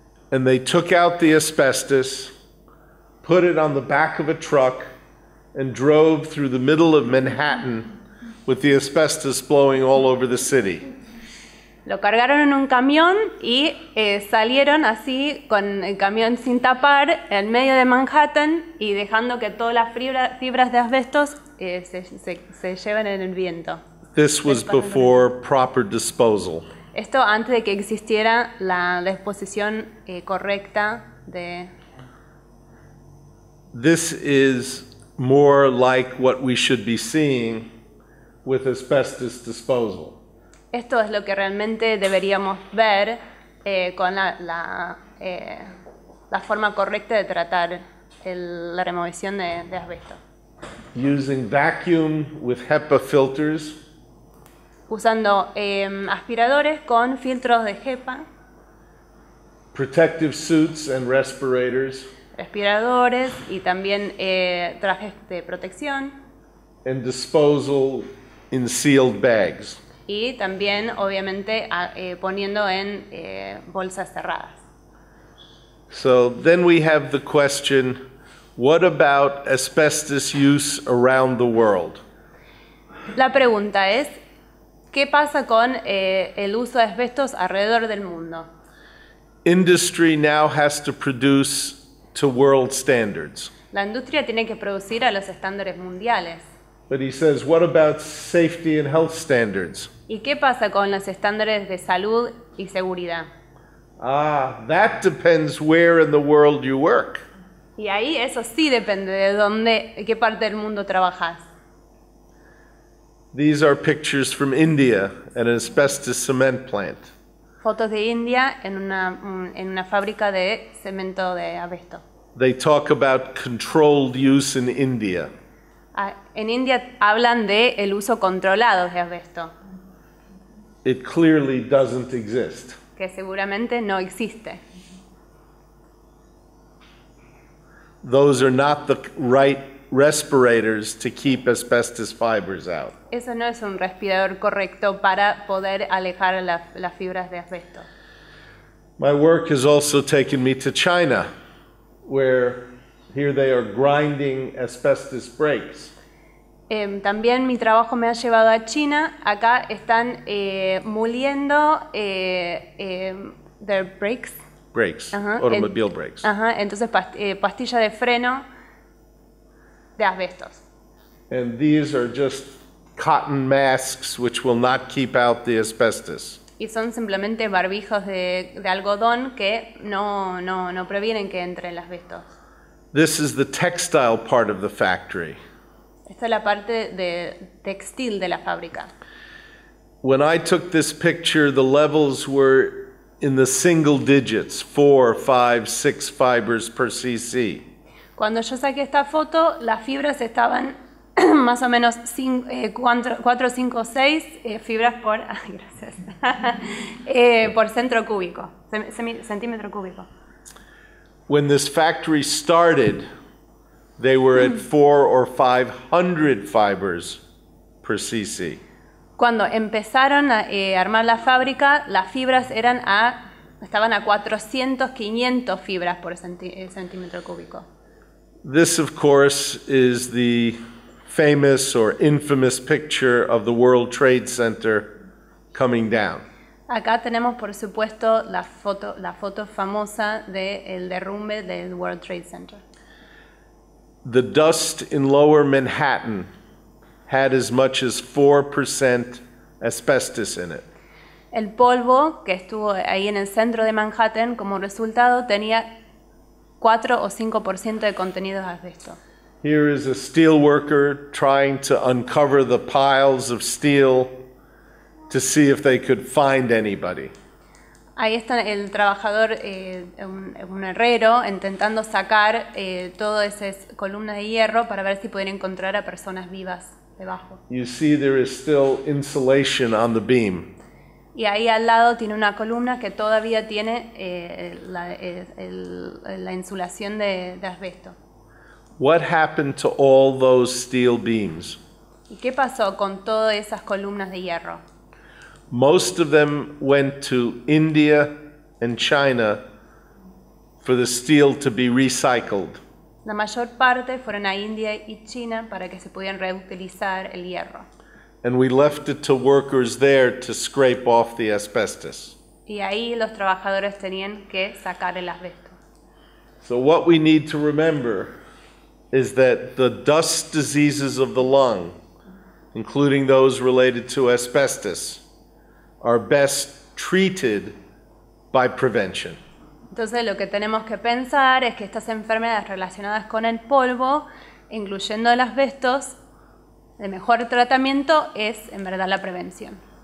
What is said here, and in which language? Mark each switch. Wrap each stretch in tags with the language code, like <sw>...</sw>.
<en>And they took out the asbestos, put it on the back of a truck, and drove through the middle of Manhattan with the asbestos blowing all over the city.</en> <es>Lo cargaron en un camión y salieron así con el camión sin tapar en medio de Manhattan y dejando que todas las fibras de asbestos se lleven en el viento.</es> <en>This was before proper disposal.</en> <es>Esto antes de que existiera la disposición correcta de...</es> <en>This is more like what we should be seeing with asbestos disposal.</en> <es>Esto es lo que realmente deberíamos ver con la forma correcta de tratar la remoción de asbesto.</es> <en>Using vacuum with HEPA filters.</en> <es>Usando aspiradores con filtros de HEPA.</es> <en>Protective suits and respirators.</en> <es>Respiradores y también trajes de protección.</es> <en>And disposal in sealed bags.</en> <es>Y también, obviamente, poniendo en bolsas cerradas.</es> <en>So then we have the question, what about asbestos use around the world?</en> <es>La pregunta es, ¿qué pasa con el uso de asbestos alrededor del mundo?</es> <en>Industry now has to produce to world standards.</en> <es>La industria tiene que producir a los estándares mundiales.</es> <en>But he says, what about safety and health standards?</en> <es>¿Y qué pasa con los estándares de salud y seguridad?</es> <en>Ah, that depends where in the world you work.</en> <es>Y ahí eso sí depende de dónde, qué parte del mundo trabajas.</es> <en>These are pictures from India, an asbestos cement plant.</en> <es>Fotos de India en una fábrica de cemento de asbesto.</es> <en>They talk about controlled use in India.</en> <es>En India hablan de el uso controlado de asbesto.</es> <en>It clearly doesn't exist.</en> <es>que seguramente no existe.</es> <en>Those are not the right respirators to keep asbestos fibers out.</en> <es>Eso no es un respirador correcto para poder alejar las fibras de asbesto.</es> <en>My work has also taken me to China, where here they are grinding asbestos breaks.</en> <es>También mi trabajo me ha llevado a China. Acá están muliendo</es> <en>their brakes. Brakes. Uh-huh. Automobile brakes.</en> <es>Uh-huh. Entonces pastilla de freno de asbestos.</es> <en>And these are just cotton masks which will not keep out the asbestos.</en> <es>Y son simplemente barbijos de algodón que no previenen que entre el asbesto.</es> <en>This is the textile part of the factory.</en> <es>Esta es la parte de textil de la fábrica.</es> <en>When I took this picture, the levels were in the single digits, 4, 5, 6 fibers per cc.</en> <es>Cuando yo saqué esta foto, las fibras estaban más o menos 4, 5, 6 fibras por, gracias, por centro cúbico, centímetro cúbico.</es> <en>When this factory started, they were at 400 or 500 fibers per cc.</en> <es>Cuando empezaron a armar la fábrica, las fibras estaban a 400, 500 fibras por centímetro cúbico.</es> <en>This, of course, is the famous or infamous picture of the World Trade Center coming down.</en> <es>Acá tenemos, por supuesto, la foto famosa del derrumbe del World Trade Center.</es> <en>The dust in Lower Manhattan had as much as 4% asbestos in it.</en> <es>El polvo que estuvo ahí en el centro de Manhattan, como resultado, tenía 4 o 5% de contenido de asbesto.</es> <en>Here is a steel worker trying to uncover the piles of steel to see if they could find anybody.</en> <es>Ahí está el trabajador, un herrero, intentando sacar todas esas columnas de hierro para ver si pueden encontrar a personas vivas debajo.</es> <en>You see there is still insulation on the beam.</en> <es>Y ahí al lado tiene una columna que todavía tiene la insulación de asbesto.</es> <en>What happened to all those steel beams?</en> <es>¿Y qué pasó con todas esas columnas de hierro?</es> <en>Most of them went to India and China for the steel to be recycled.</en> <es>La mayor parte fueron a India y China para que se pudieran reutilizar el hierro.</es> <en>And we left it to workers there to scrape off the asbestos.</en> <es>Y ahí los trabajadores tenían que sacar el asbesto.</es> <en>So what we need to remember is that the dust diseases of the lung, including those related to asbestos, are best treated by prevention.</en> <es>Entonces lo que tenemos que pensar es que estas enfermedades relacionadas con el polvo, incluyendo el asbesto, el mejor tratamiento es, en verdad, la prevención.</es>